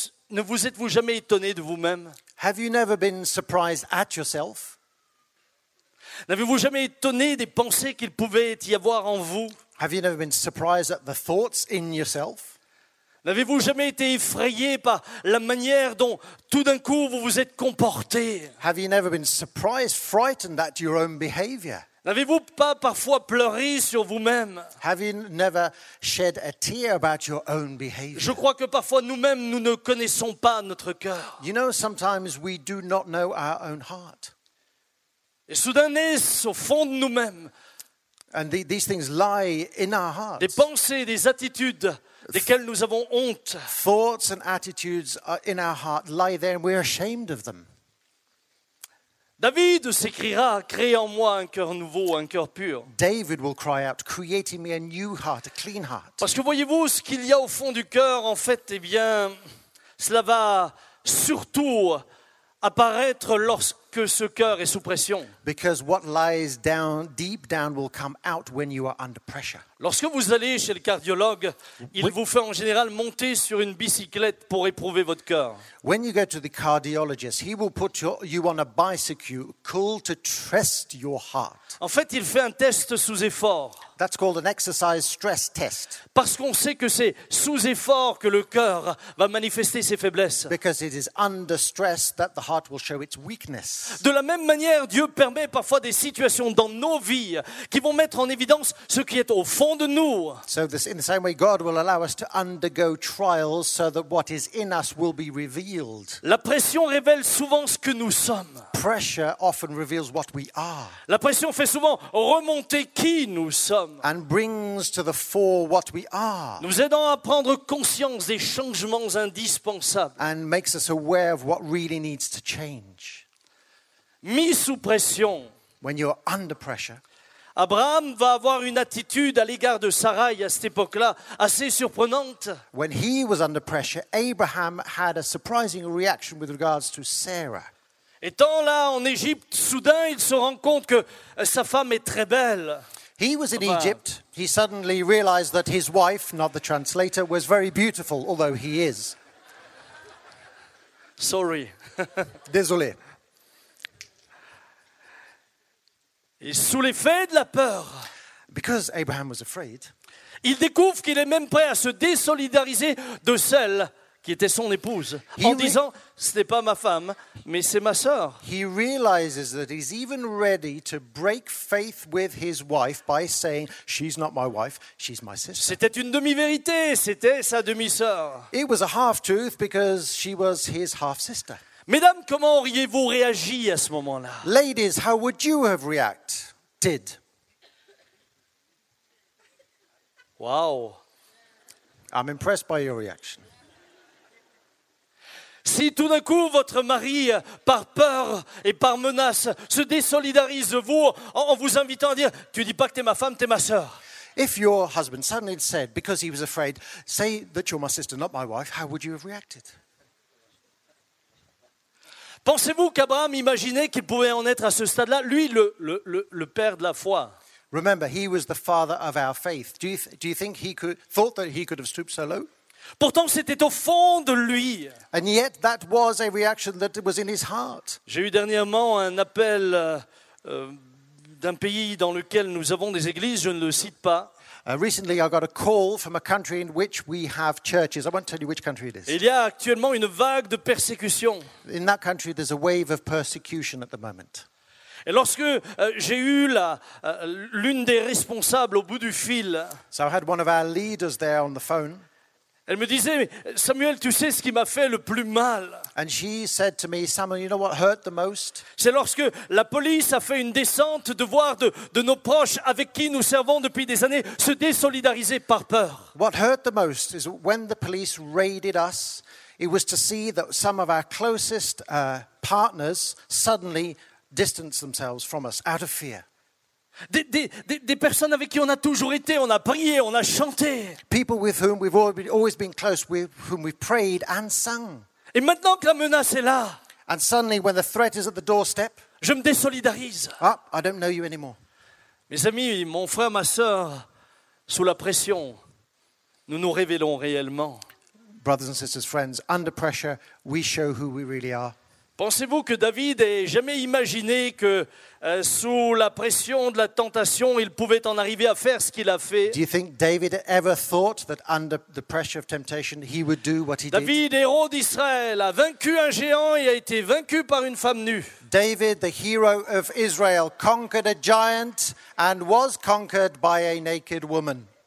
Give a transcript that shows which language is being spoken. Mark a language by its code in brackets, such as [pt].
[fr] Ne vous êtes-vous jamais étonné de vous-même? [en] Have you never been surprised at yourself? [fr] N'avez-vous jamais étonné des pensées qu'il pouvait y avoir en vous? [en] Have you never been surprised at the thoughts in yourself? [fr] N'avez-vous jamais été effrayé par la manière dont tout d'un coup vous vous êtes comporté? [en] Have you never been surprised, frightened at your own behavior? [fr] N'avez-vous pas parfois pleuré sur vous-même? [en] Have you never shed a tear about your own behavior? [fr] Je crois que parfois nous-mêmes nous ne connaissons pas notre cœur. [en] You know, sometimes we do not know our own heart. [fr] Et soudain naissent au fond de nous-mêmes. [en] And these things lie in our hearts. [fr] Des pensées, des attitudes desquelles nous avons honte. [en] Thoughts and attitudes in our heart lie there, and we are ashamed of them. [fr] David s'écriera, crée en moi un cœur nouveau, un cœur pur. [en] David will cry out, create in me a new heart, a clean heart. [fr] Parce que voyez-vous, ce qu'il y a au fond du cœur, en fait, eh bien, cela va surtout apparaître lorsque ce cœur est sous pression. [en] Because what lies down, deep down, will come out when you are under pressure. [fr] Lorsque vous allez chez le cardiologue, il vous fait en général monter sur une bicyclette pour éprouver votre cœur. [en] When you go to the cardiologist, he will put you on a bicycle cool to test your heart. [fr] En fait, il fait un test sous effort. [en] That's called an exercise stress test. [fr] Parce qu'on sait que c'est sous effort que le cœur va manifester ses faiblesses. [en] Because it is under stress that the heart will show its weakness. [fr] De la même manière, Dieu permet parfois des situations dans nos vies qui vont mettre en évidence ce qui est au fond de nous. [en] So this, in the same way, God will allow us to undergo trials so that what is in us will be revealed. [fr] La pression révèle souvent ce que nous sommes. [en] Pressure often reveals what we are. [fr] La pression fait souvent remonter qui nous sommes. [en] And brings to the fore what we are. [fr] Nous aidant à prendre conscience des changements indispensables. [en] And makes us aware of what really needs to change. [fr] Mis sous pression. [en] When you're under pressure. [fr] Abraham va avoir une attitude à l'égard de Sarai à cette époque-là assez surprenante. [en] When he was under pressure, Abraham had a surprising reaction with regards to Sarah. [fr] Étant là en Égypte, soudain il se rend compte que sa femme est très belle. [en] He was in Egypt. He suddenly realized that his wife, not the translator, was very beautiful, although he is. Sorry. [fr] Désolé. Et sous l'effet de la peur. [en] Because Abraham was afraid. [fr] Il découvre qu'il est même prêt à se désolidariser de celle qui était son épouse, en disant, ce n'est pas ma femme, mais c'est ma sœur. [en] He realizes that he's even ready to break faith with his wife by saying, she's not my wife, she's my sister. [fr] C'était une demi-vérité, c'était sa demi-sœur. [en] It was a half-truth because she was his half-sister. [fr] Mesdames, comment auriez-vous réagi à ce moment-là? [en] Ladies, how would you have reacted? Wow. I'm impressed by your reaction. [fr] Si tout d'un coup votre mari, par peur et par menace, se désolidarise de vous en vous invitant à dire, tu dis pas que t'es ma femme, t'es ma sœur. [en] If your husband suddenly said, because he was afraid, say that you're my sister, not my wife, how would you have reacted? [fr] Pensez-vous qu'Abraham imaginait qu'il pouvait en être à ce stade-là, lui, le père de la foi? [en] Remember, he was the father of our faith. Do you think he could thought that he could have stooped so low? [fr] Pourtant, c'était au fond de lui. [en] And yet, that was a reaction that was in his heart. [fr] J'ai eu dernièrement un appel d'un pays dans lequel nous avons des églises. Je ne le cite pas. [en] Recently, I got a call from a country in which we have churches. I won't tell you which country it is. [fr] Il y a actuellement une vague de persécution. [en] In that country, there's a wave of persecution at the moment. [fr] Et lorsque j'ai eu l'une des responsables au bout du fil. [en] So I had one of our leaders there on the phone. [fr] Elle me disait, Samuel, tu sais ce qui m'a fait le plus mal? [en] And she said to me, Samuel, you know what hurt the most? [fr] C'est lorsque la police a fait une descente de voir de nos proches avec qui nous servons depuis des années se désolidariser par peur. [en] What hurt the most is when the police raided us, it was to see that some of our closest partners suddenly distanced themselves from us out of fear. [fr] Des personnes avec qui on a toujours été, on a prié, on a chanté. [en] People with whom we've always been close, with whom we've prayed and sung. [fr] Et maintenant que la menace est là, [en] and suddenly when the threat is at the doorstep, [fr] je me désolidarise. [en] Ah, I don't know you anymore. [fr] Mes amis, mon frère, ma sœur, sous la pression, nous nous révélons réellement. [en] Brothers and sisters, friends, under pressure, we show who we really are. [fr] Pensez-vous que David ait jamais imaginé que sous la pression de la tentation, il pouvait en arriver à faire ce qu'il a fait? [en] Do you think David ever thought that under the pressure of temptation, he would do what he did? [fr] David, héros d'Israël, a vaincu un géant et a été vaincu par une femme nue. [en] David, the hero of Israel, conquered a giant and was conquered by a naked woman.